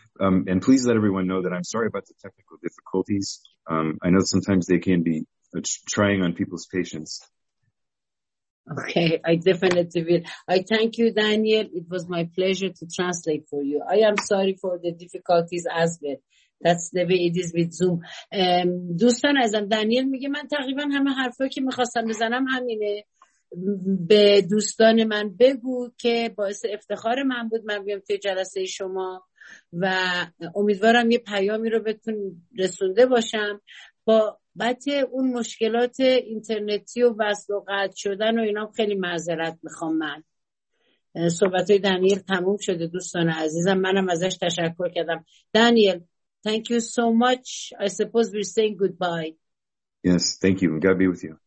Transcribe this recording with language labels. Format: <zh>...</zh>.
<en>And please let everyone know that I'm sorry about the technical difficulties. I know sometimes they can be trying on people's patience. Okay, I definitely will. I thank you, Daniel. It was my pleasure to translate for you. I am sorry for the difficulties as well. That's the way it is with Zoom.</en> <fa>دوستان عزیزم، دانیل میگه من تقریبا همه حرفایی که میخواستم بزنم همینه. به دوستان من بگو که باعث افتخار من بود من بیام توی جلسه شما و امیدوارم یه پیامی رو بهتون رسونده باشم. با بته اون مشکلات اینترنتی و وصل و قطع شدن و اینا خیلی معذرت میخوام. من صحبتای دانیل تموم شده دوستان عزیزم، منم ازش تشکر کردم.</fa> <en>Daniel thank you so much. I suppose we're saying goodbye. Yes, thank you. God be with you.</en>